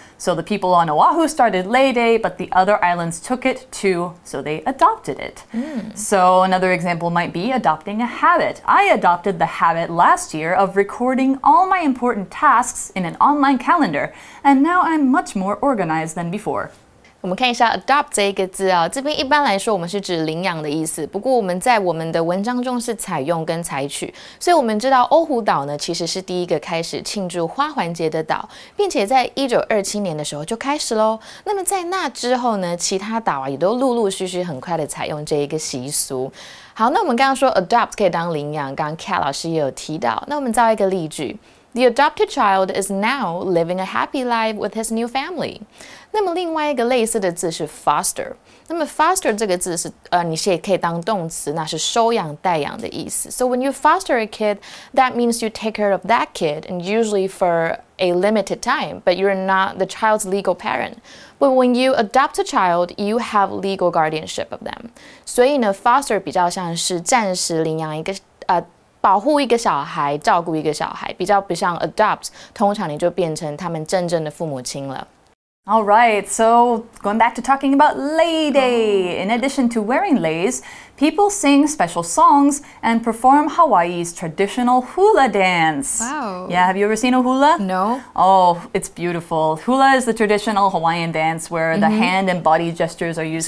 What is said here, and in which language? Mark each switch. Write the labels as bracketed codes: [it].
[en] So the people on Oahu started Lei Day, but the other islands took it too, so they adopted it. Mm. So another example might be adopting a habit. I adopted the habit last year of recording all my important tasks in an online calendar, and now I'm much more organized than before. [zh] 我们看一下 adopt 这一个字啊、哦，这边一般来说我们是指领养的意思。不过我们在我们的文章中是采用跟采取，所以我们知道欧胡岛呢其实是第一个开始庆祝花环节的岛，并且在1927年的时候就开始喽。那么在那之后呢，其他岛啊也都陆陆续续很快的采用这一个习俗。好，那我们刚刚说 adopt 可以当领养，刚刚 Cat 老师也有提到。那我们造一个例句。 [en] The adopted child is now living a happy life with his new family. [zh] 那么另外一个类似的字是 foster. 那么 foster 这个字是你也可以当动词，那是收养带养的意思。 [en] So when you foster a kid, that means you take care of that kid, and usually for a limited time, but you're not the child's legal parent. But when you adopt a child, you have legal guardianship of them. [zh] 所以呢 foster 比较像是暂时领养一个保护一个小孩，照顾一个小孩，比较不像 adopt， 通常你就变成他们真正的父母亲了。 [en] All right, so going back to talking about Lei Day. In addition to wearing leis, people sing special songs and perform Hawaii's traditional hula dance. Wow. Yeah, have you ever seen a hula? No. Oh, it's beautiful. Hula is the traditional Hawaiian dance where the hand and body gestures are used